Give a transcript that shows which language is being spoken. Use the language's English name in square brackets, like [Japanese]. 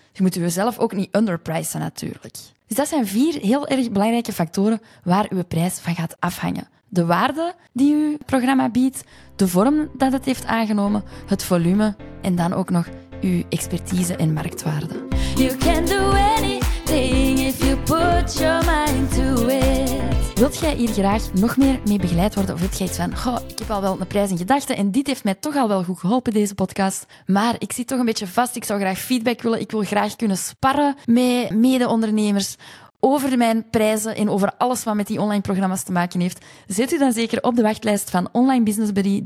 [Dutch] Je moet jezelf ook niet underpricen natuurlijk. Dus dat zijn vier heel erg belangrijke factoren waar je prijs van gaat afhangen. De waarde die je programma biedt, de vorm dat het heeft aangenomen, het volume en dan ook nog je expertise en marktwaarde. [English] You can do anything if you put your mind to it. [Dutch] Wilt jij hier graag nog meer mee begeleid worden of wil jij iets van, goh, ik heb al wel een prijs in gedachten en dit heeft mij toch al wel goed geholpen, deze podcast, maar ik zit toch een beetje vast, ik zou graag feedback willen, ik wil graag kunnen sparren met mede-ondernemers over mijn prijzen en over alles wat met die online programma's te maken heeft, zet u dan zeker op de wachtlijst van Online Business Buddy.